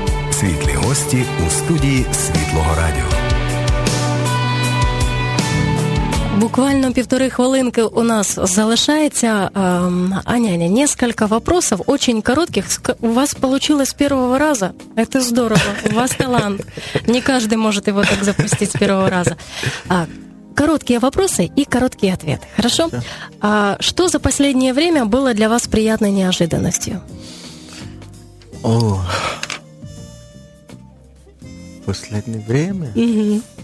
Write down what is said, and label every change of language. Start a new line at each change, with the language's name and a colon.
Ukrainian: Світлі гості у студії Світлого Радіо. Буквально півтори хвилинки у нас залишається.
Russian: Аняня, несколько вопросов, очень коротких.
Ukrainian: У вас вийшло з першого разу. Це здорово, у вас талант. Не кожен може його так запустити з першого разу.
Russian: короткие вопросы и короткие ответы. Хорошо? А что за последнее время было для вас приятной неожиданностью? О, последнее время? Mm-hmm.